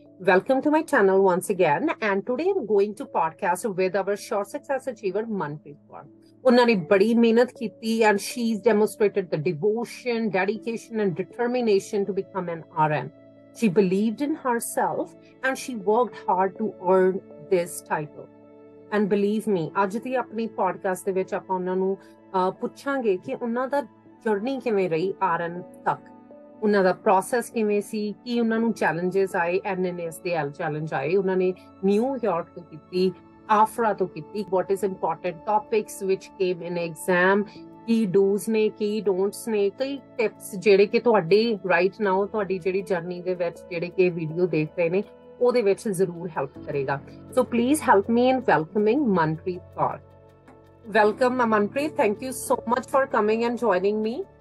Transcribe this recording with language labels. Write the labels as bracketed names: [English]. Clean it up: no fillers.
[English] Welcome to my channel once again, and today I'm going to podcast with our Sure Success Achiever Manpreet Kaur. [Punjabi] Unnane badi mehnat kiti [English] and she's demonstrated the devotion, dedication and determination to become an RN. She believed in herself and she worked hard to earn this title. And believe me, [Punjabi] ajj di apni podcast de vich apan unnan nu ਪੁੱਛਾਂਗੇ ਕਿ ਉਹਨਾਂ ਦਾ journey ਕਿਵੇਂ ਰਹੀ ਆਰਨ ਤੱਕ, ਉਹਨਾਂ ਦਾ process ਕਿਵੇਂ ਸੀ, ਕਿ ਉਹਨਾਂ ਨੂੰ ਚੈਲੰਜਸ ਆਏ, ਐਨਐਨਐਸ ਦੇ ਐਲ ਚੈਲੰਜ ਆਏ, ਉਹਨਾਂ ਨੇ ਨਿਊਯਾਰਕ ਤੋਂ ਕੀਤੀ, ਆਫਰਾ ਤੋਂ ਕੀਤੀ, [English] what is important topics ਵਿਚ came in exam, [Punjabi] ਕੀ ਡੂਜ ਨੇ, ਕੀ ਡੋਂਟਸ ਨੇ, ਕਈ ਟਿਪਸ ਜਿਹੜੇ ਕਿ ਤੁਹਾਡੇ [English] right now [Punjabi] ਤੁਹਾਡੀ ਜਿਹੜੀ ਜਰਨੀ ਦੇ ਵਿੱਚ ਜਿਹੜੇ ਕਿ ਵੀਡੀਓ ਦੇਖ ਰਹੇ ਨੇ ਉਹਦੇ ਵਿੱਚ ਜ਼ਰੂਰ ਹੈਲਪ ਕਰੇਗਾ. [English] So please help me in welcoming Manpreet Kaur. Welcome, Manpreet. Thank you so much for coming and joining me.